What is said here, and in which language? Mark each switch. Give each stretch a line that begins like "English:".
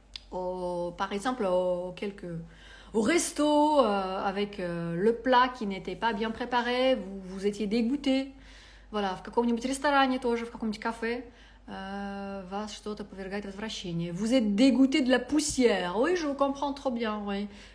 French: Par exemple, au resto avec le plat qui n'était pas bien préparé, vous étiez dégoûtée.
Russian: Voilà, в каком-нибудь ресторане тоже, в каком-нибудь кафе вас что-то повергает в отвращение.
French: Vous êtes dégoûté de la poussière. Oui, je vous comprends trop bien, oui.